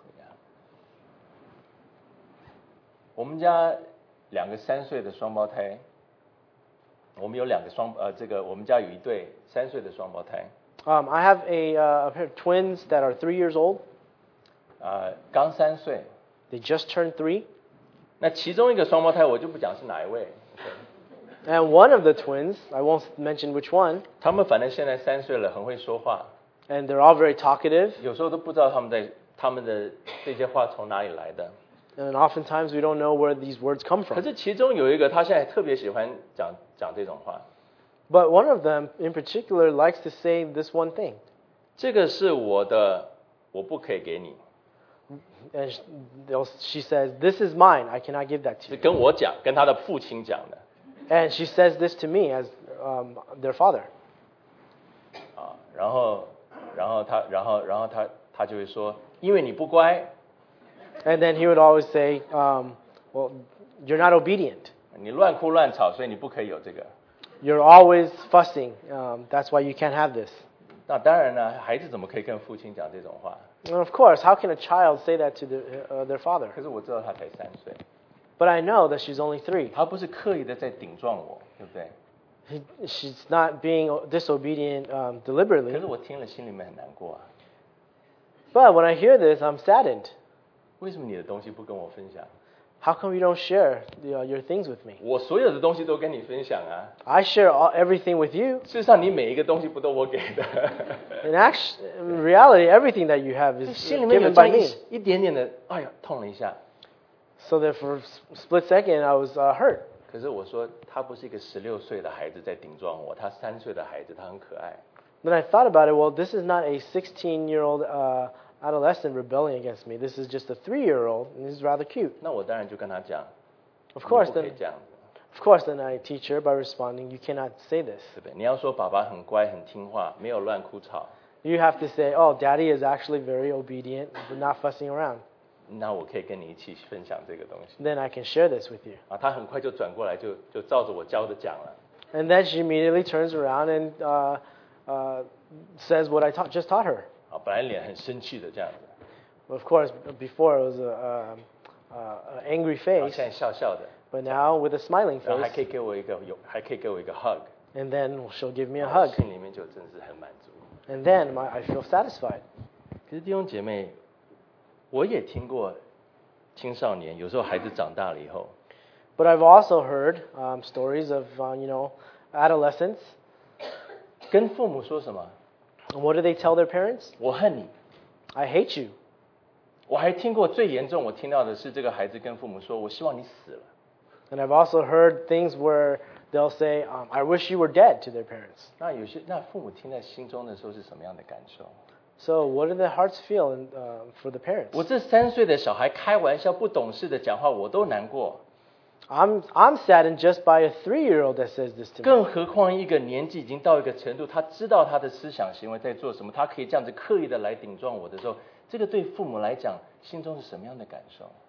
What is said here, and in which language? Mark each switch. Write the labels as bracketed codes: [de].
[en] Yeah. [zh] 我们家两个三岁的双胞胎，我们有两个双这个我们家有一对三岁的双胞胎。 [en] I have a pair of twins that are 3 years old. [zh] 刚三岁。 [en] They just turned 3. [zh] 那其中一个双胞胎我就不讲是哪一位。 [en] Okay. And one of the twins, I won't mention which one. [zh] 他们反正现在三岁了，很会说话。 [en] And they're all very talkative. [zh] 有时候都不知道他们的这些话从哪里来的。 [en] And oftentimes we don't know where these words come from. [zh] 可是其中有一个，他现在特别喜欢讲这种话。 [en] But one of them in particular likes to say this one thing. [zh] 这个是我的，我不可以给你。 [en] And she says, "This is mine. I cannot give that to you." [zh] 是跟我讲，跟他的父亲讲的。 [en] And she says this to me as their father. [zh] 啊，然后。然后他就会说，因为你不乖。 [en] And then he would always say, "Well, you're not obedient." [zh] 你乱哭乱吵，所以你不可以有这个。 [en] You're always fussing. That's why you can't have this. [zh] 那当然了，孩子怎么可以跟父亲讲这种话 [en] ？And of course, how can a child say that to their father? [zh] 可是我知道他才三岁。 [en] But I know that she's only 3. [zh] 他不是刻意的在顶撞我，对不对？ [en] She's not being disobedient deliberately. [zh] 可是我听了心里面很难过啊。 [en] But when I hear this, I'm saddened. [zh] 为什么你的东西不跟我分享？ [en] How come you don't share your things with me? [zh] 我所有的东西都跟你分享啊。 [en] I share everything with you. [zh] 事实上，你每一个东西不都我给的。 [en] In reality, everything that you have is given by me. [zh] 心里面有这样一点点的，哎呀，痛了一下。 [en] So that for a split second, I was hurt. [zh] 可是我说，他不是一个十六岁的孩子在顶撞我，他三岁的孩子，他很可爱。 [en] Then I thought about it. Well, this is not a 16-year-old adolescent rebelling against me. This is just a 3-year-old, and he's rather cute. [zh] 那我当然就跟他讲。 [en] Of course, then. [zh] 你不可以这样。 [en] Of course, then I teach her by responding, "You cannot say this." [zh] 对不对？你要说爸爸很乖很听话，没有乱哭吵。 [en] You have to say, "Oh, Daddy is actually very obedient, but not fussing around." [zh] 那我可以跟你一起分享这个东西。 [en] Then I can share this with you. [zh] 啊，他很快就转过来就照着我教的讲了。 [en] And then she immediately turns around and says what I just taught her. [zh] 啊，本来脸很生气的这样子。 [en] Of course, before it was an angry face. [zh] 现在笑笑的。 [en] But now with a smiling face. [zh] 还可以给我一个 hug. [en] And then she'll give me a hug. [zh] 心里面就真是很满足。 [en] And then I feel satisfied. [zh] 可是弟兄姐妹，我也听过青少年，有时候孩子长大了以后。 [en] But I've also heard stories of adolescents. [zh] 跟父母说什么？ [en] What do they tell their parents? [zh] 我恨你。 [en] I hate you. [zh] 我还听过最严重，我听到的是这个孩子跟父母说，我希望你死了。 [en] And I've also heard things where they'll say, I wish you were dead to their parents. [zh] 那有些那父母听在心中的时候是什么样的感受？ [en] So what do their hearts feel for the parents? [zh] 我这三岁的小孩开玩笑不懂事的讲话我都难过。 [en] I'm saddened just by a three-year-old that says this to me. [zh] 更何况一个年纪已经到一个程度，他知道他的思想行为在做什么，他可以这样子刻意的来顶撞我的时候，这个对父母来讲心中是什么样的感受？